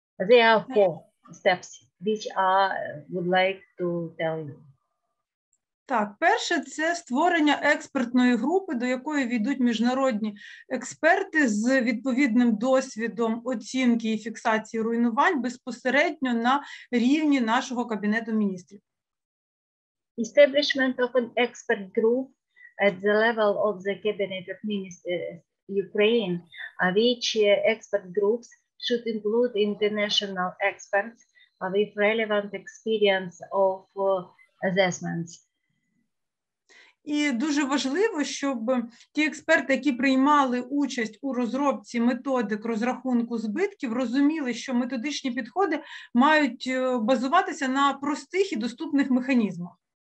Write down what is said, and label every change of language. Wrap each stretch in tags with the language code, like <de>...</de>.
<en>There are 4 steps which I would like to tell you.</en> <uk>Так, перше – це створення експертної групи, до якої війдуть міжнародні експерти з відповідним досвідом оцінки і фіксації руйнувань безпосередньо на рівні нашого Кабінету міністрів.</uk> <en>Establishment of an expert group at the level of the Cabinet of Ministers Ukraine, which expert groups should include international experts with relevant experience of assessments.</en> <uk>І дуже важливо, щоб ті експерти, які приймали участь у розробці методик розрахунку збитків, розуміли, що методичні підходи мають базуватися на простих і доступних механізмах.</uk>